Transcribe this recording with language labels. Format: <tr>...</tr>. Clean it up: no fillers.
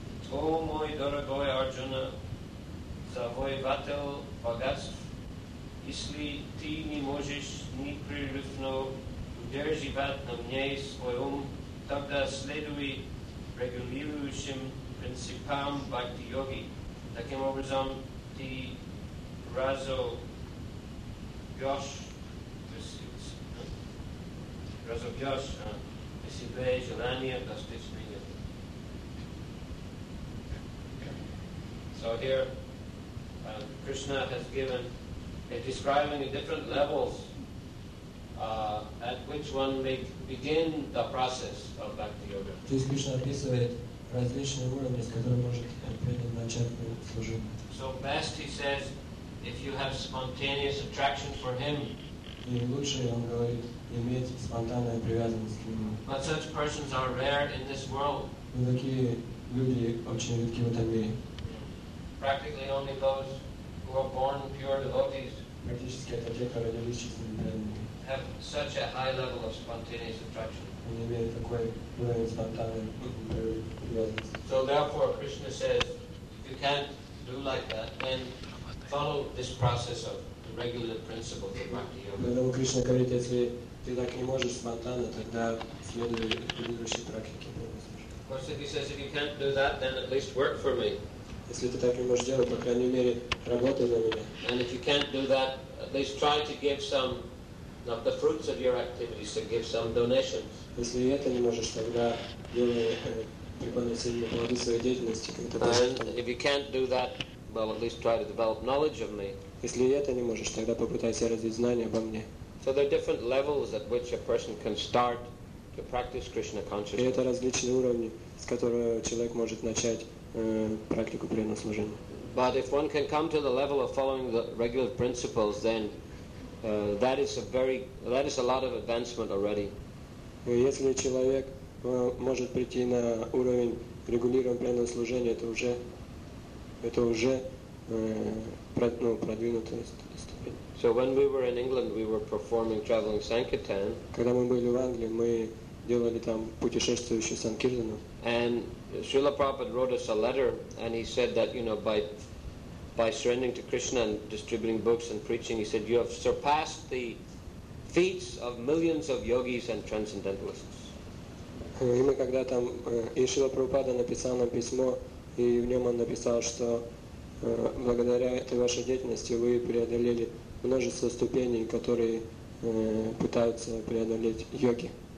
<ru>О, мой дорогой Арджуна, завоеватель богатств, если ты не можешь непрерывно удерживать на мне свой ум, тогда следуй регулирующим принципам бхакти-йоги. Таким образом, ты разобьешь на себе желание достичь меня.</ru> <en>So here, Krishna has given, is describing the different levels at which one may begin the process of bhakti yoga.</en> <ru>То есть Кришна описывает различные уровни, с которых можно начать служение.</ru> <en>So best, he says, if you have spontaneous attraction for him.</en> <ru>И лучше, он говорит, иметь спонтанную привязанность к нему.</ru> <en>But such persons are rare in this world.</en> <ru>Но такие люди очень редки в этом мире.</ru> <en>Practically only those who are born pure devotees.</en> <ru>Практически это те, кто родились чистыми преданными.</ru> <en>Have such a high level of spontaneous attraction.</en> <ru>Они имеют такой уровень спонтанной привязанности.</ru> <en>So therefore, Krishna says, if you can't do like that, then follow this process of the regular principles of bhakti yoga.</en> <ru>Поэтому Кришна говорит, если ты так не можешь спонтанно, тогда следуй предыдущей практике.</ru> <en>Of course, if he says, if you can't do that, then at least work for me.</en> <ru>Если ты так не можешь делать, по крайней мере, работай за меня.</ru> <en>And if you can't do that, at least try to give some of the fruits of your activities, to give some donations.</en> <ru>Если это не можешь, тогда делай преподносимые плоды своей деятельности.</ru> <en>And if you can't do that, well, at least try to develop knowledge of me.</en> <ru>Если это не можешь, тогда попытайся развить знания обо мне.</ru> <en>So there are different levels at which a person can start to practice Krishna consciousness.</en> <ru>И это различные уровни, с которых человек может начать практику преданного.</ru> <en>But if one can come to the level of following the regular principles, then that is a lot of advancement already.</en> <ru>Если человек может прийти на уровень регулируемого преданного служения, это уже продвинутая ступень.</ru> <en>So when we were in England, we were performing traveling sankirtan.</en> <ru>Когда мы были в Англии, мы делали там путешествующую санкиртану.</ru> <en>And Srila Prabhupada wrote us a letter, and he said that, you know, by surrendering to Krishna and distributing books and preaching, he said, you have surpassed the feats of millions of yogis and transcendentalists.</en> <ru>И мы когда там, и Шрила Прабхупада написал нам письмо, и в нем он написал, что благодаря этой вашей деятельности вы преодолели множество ступеней, которые пытаются преодолеть йоги.</ru>